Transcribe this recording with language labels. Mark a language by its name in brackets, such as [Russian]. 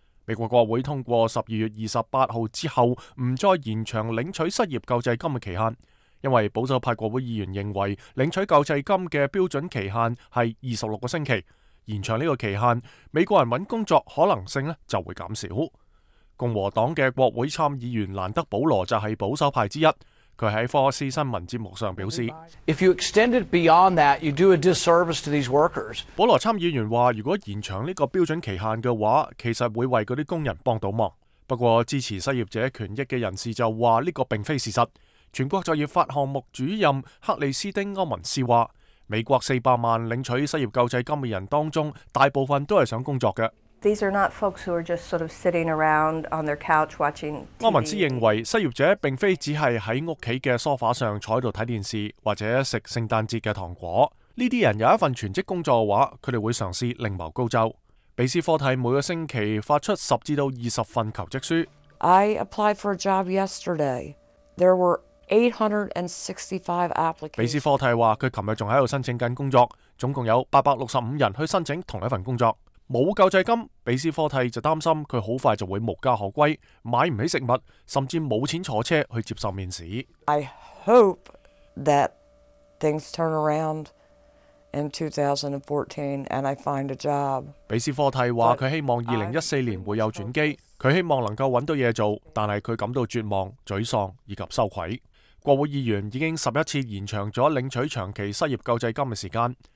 [Chinese] 美国国会通过12月28号之后，不再延长领取失业救济金的期限，因为保守派国会议员认为领取救济金的标准期限是26个星期。延长这个期限，美国人找工作可能性就会减少。共和党的国会参议员兰德保罗就是保守派之一，他在科斯新闻节目上表示， [English] If you extend it beyond that, you do a disservice to these workers. [Chinese] 保罗参议员说，如果延长这个标准期限的话，其实会为那些工人帮到忙。不过支持失业者权益的人士就说这个并非事实。全国就业法项目主任克里斯丁·欧文斯说，美国400万领取失业救济金的人当中，大部分都是想工作的。 [English] These are not folks who are just sort of sitting around on their couch watching TV. [Chinese] 欧文斯认为，失业者并非只是在屋企的梳化上坐在看电视或者吃圣诞节的糖果。这些人有一份全职工作的话，他们会尝试另谋高就。比斯科蒂每个星期发出10-20份求职书。 [English] I applied for a job yesterday. There were 865 applicants. [Chinese] 比斯科蒂说，他昨天还在申请工作，总共有865人去申请同一份工作。没有救济金，比斯科蒂就担心他很快就会无家可归，买不起食物，甚至没钱坐车去接受面试。 [English] I hope that things turn around in 2014 and I find a job. [Chinese] 比斯科蒂说，他希望2014年会有转机，他希望能够找到工作，但是他感到绝望、沮丧以及羞愧。国会议员已经11次延长了领取长期失业救济金的时间。